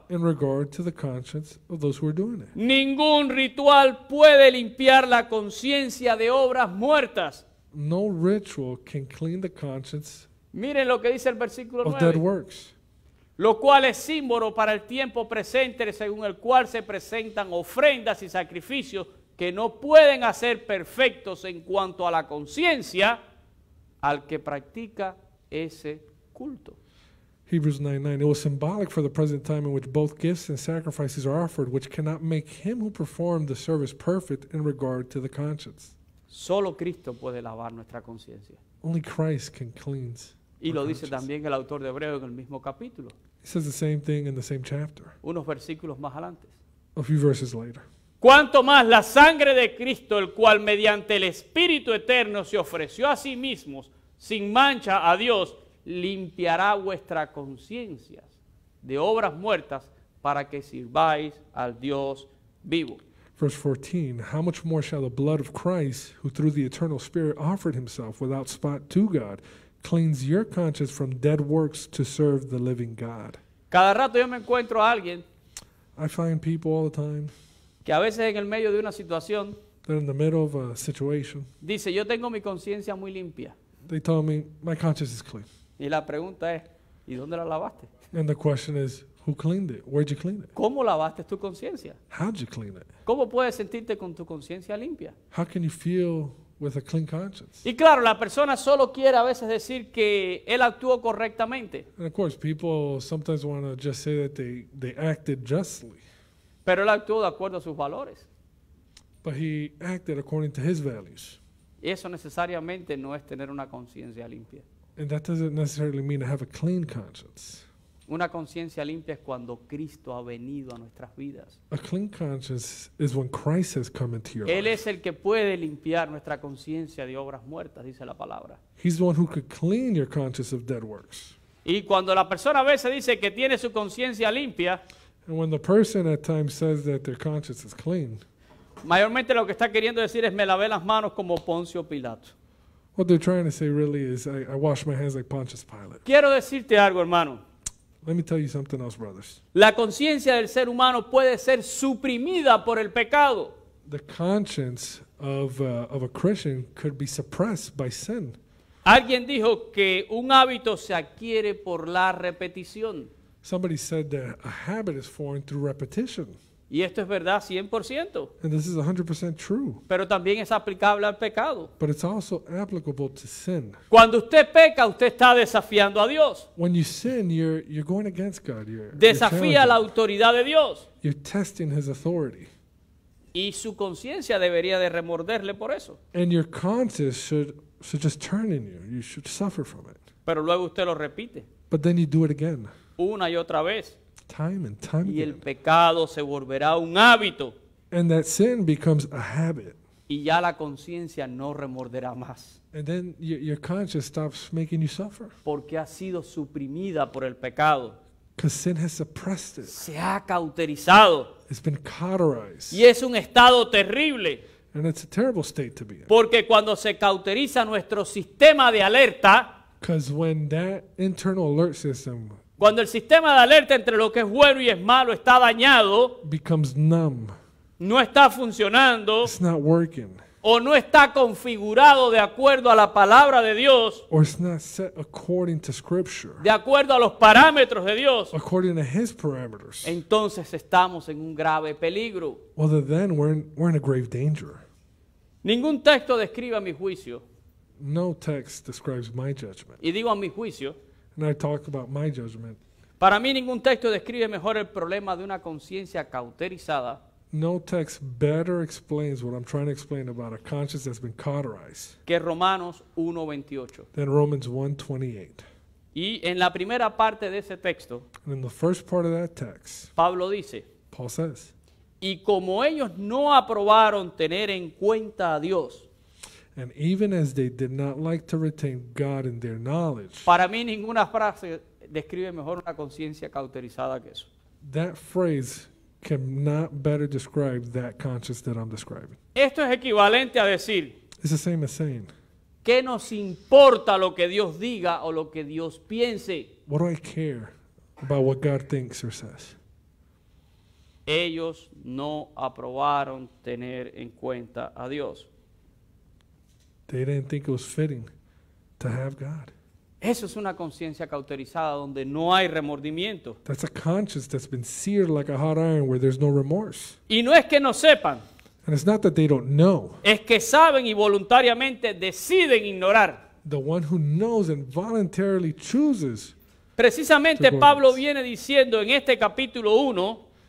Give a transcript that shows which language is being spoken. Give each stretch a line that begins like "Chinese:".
English: In regard to the conscience of those who were doing it.
Spanish: Ningún ritual puede limpiar la conciencia de obras muertas.
English: No ritual can clean the conscience.
Spanish: Miren lo que dice el versículo 9.
English: Of dead works.
Spanish: Lo cual es símbolo para el tiempo presente según el cual se presentan ofrendas y sacrificios que no pueden hacer perfectos en cuanto a la conciencia al que practica ese culto.
English: Hebrews 9:9. It was symbolic for the present time in which both gifts and sacrifices are offered, which cannot make him who performed the service perfect in regard to the conscience.
Spanish: Solo Cristo puede lavar nuestra conciencia.
English: Only Christ can cleanse.
Spanish: Y lo dice también el autor de Hebreos en el mismo capítulo.
English: He says the same thing in the same chapter.
Spanish: Unos versículos más adelante.
English: A few verses later.
Spanish: Cuanto más la sangre de Cristo, el cual mediante el Espíritu eterno se ofreció a sí mismo sin mancha a Dios, limpiará vuestra conciencia de obras muertas para que sirváis al Dios vivo.
English: Verse 14, how much more shall the blood of Christ, who through the eternal Spirit offered himself without spot to God, cleanse your conscience from dead works to serve the living God.
Spanish: Cada rato yo me encuentro a alguien.
English: I find people all the time.
Spanish: Que a veces en el medio de una situación.
English: They're in the middle of a situation.
Spanish: Dice, yo tengo mi conciencia muy limpia.
English: They tell me, my conscience is clean.
Spanish: Y la pregunta es, ¿y dónde la lavaste?
English: And the question is, who cleaned it? Where'd you clean it?
Spanish: ¿Cómo lavaste tu conciencia?
English: How'd you clean it?
Spanish: ¿Cómo puedes sentirte con tu conciencia limpia?
English: How can you feel with a clean conscience.
Spanish: Y claro, la persona solo quiere a veces decir que él actuó correctamente.
English: And of course, people sometimes want to just say that they acted justly.
Spanish: Pero él actuó de acuerdo a sus valores.
English: But he acted according to his values.
Spanish: Y eso necesariamente no es tener una conciencia limpia.
English: And that doesn't necessarily mean to have a clean conscience.
Spanish: Una conciencia limpia es cuando Cristo ha venido a nuestras vidas.
English: A clean conscience is when Christ has come into your
Spanish: Él
English: life.
Spanish: Él es el que puede limpiar nuestra conciencia de obras muertas, dice la palabra.
English: He's the one who could clean your conscience of dead works.
Spanish: Y cuando la persona a veces dice que tiene su conciencia limpia,
English: and when the person at times says that their conscience is clean,
Spanish: mayormente lo que está queriendo decir es me lavé las manos como Poncio Pilato.
English: What they're trying to say really is I wash my hands like Pontius Pilate.
Spanish: Quiero decirte algo, hermano.
English: Let me tell you something else, brothers.
Spanish: La conciencia del ser humano puede ser suprimida por el pecado.
English: The conscience of a Christian could be suppressed by sin.
Spanish: Alguien dijo que un hábito se adquiere por la repetición.
English: Somebody said that a habit is formed through repetition.
Spanish: Y esto es verdad 100%.
English: And this is 100% true.
Spanish: Pero también es aplicable al pecado.
English: But it's also applicable to sin.
Spanish: Cuando usted peca, usted está desafiando a Dios.
English: When you sin, you're going against God. You're,
Spanish: desafía
English: you're
Spanish: la autoridad de Dios.
English: You're testing his authority.
Spanish: Y su conciencia debería de remorderle por eso.
English: And your conscience should just turn in you. You should suffer from it.
Spanish: Pero luego usted lo repite.
English: But then you do it again.
Spanish: Una y otra vez.
English: Time and time again.
Spanish: Y el pecado se volverá un hábito.
English: And that sin becomes a habit.
Spanish: Y ya la conciencia no remorderá más.
English: And then your conscience stops making you suffer.
Spanish: Porque ha sido suprimida por el pecado.
English: Because sin has suppressed it.
Spanish: Se ha cauterizado.
English: It's been cauterized.
Spanish: Y es un estado terrible.
English: And it's a terrible state to be in.
Spanish: Porque cuando se cauteriza nuestro sistema de alerta.
English: Because when that internal alert system.
Spanish: Cuando el sistema de alerta entre lo que es bueno y es malo está dañado,
English: becomes numb.
Spanish: No está funcionando,
English: it's not working.
Spanish: O no está configurado de acuerdo a la palabra de Dios,
English: or it's not set according to scripture.
Spanish: De acuerdo a los parámetros de Dios,
English: according to his parameters.
Spanish: Entonces estamos en un grave peligro.
English: Well, then we're in a grave danger.
Spanish: Ningún texto describe mi juicio.
English: No text describes my judgment.
Spanish: Y digo a mi juicio.
English: And I talk about my judgment.
Spanish: Para mí ningún texto describe mejor el problema de una conciencia cauterizada.
English: No text better explains what I'm trying to explain about a conscience that's been cauterized.
Spanish: Que Romanos 1:28.
English: Than Romans 1:28.
Spanish: Y en la primera parte de ese texto.
English: And in the first part of that text.
Spanish: Pablo dice.
English: Paul says.
Spanish: Y como ellos no aprobaron tener en cuenta a Dios.
English: And even as they did not like to retain God in their knowledge.
Spanish: Para mí ninguna frase describe mejor una conciencia cauterizada que eso.
English: That phrase cannot better describe that conscience that I'm describing.
Spanish: Esto es equivalente a decir.
English: It's the same as saying.
Spanish: ¿Qué nos importa lo que Dios diga o lo que Dios piense?
English: What do I care about what God thinks or says?
Spanish: Ellos no aprobaron tener en cuenta a Dios.
English: They didn't think it was fitting to have God.
Spanish: Eso es una conciencia cauterizada donde no hay remordimiento.
English: That's a conscience that's been seared like a hot iron where there's no remorse.
Spanish: Y no es que no sepan.
English: And it's not that they don't know.
Spanish: Es que saben y voluntariamente deciden ignorar.
English: The one who knows and voluntarily chooses.
Spanish: Precisamente Pablo viene diciendo en este capítulo 1.